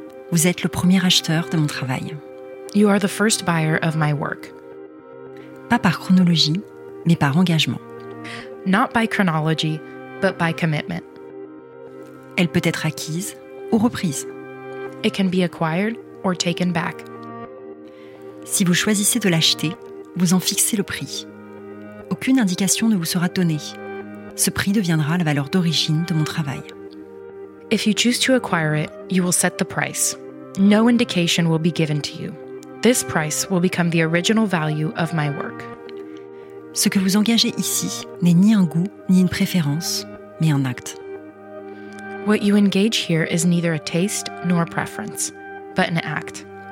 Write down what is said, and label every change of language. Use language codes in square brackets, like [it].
[fr] Vous êtes le premier acheteur de mon travail. [en] You are the first buyer of my work. [fr] Pas par chronologie, mais par engagement. [en] Not by chronology, but by commitment. [fr] Elle peut être acquise ou reprise. [en] It can be acquired or taken back. [fr] Si vous choisissez de l'acheter, vous en fixez le prix. Aucune indication ne vous sera donnée. Ce prix deviendra la valeur d'origine de mon travail. [en] If you choose to acquire it, you will set the price. No indication will be given to you. This price will become the original value of my work. [fr] Ce que vous engagez ici n'est ni un goût, ni une préférence, mais un acte. [en] What you engage here is neither a taste nor a preference, but an act.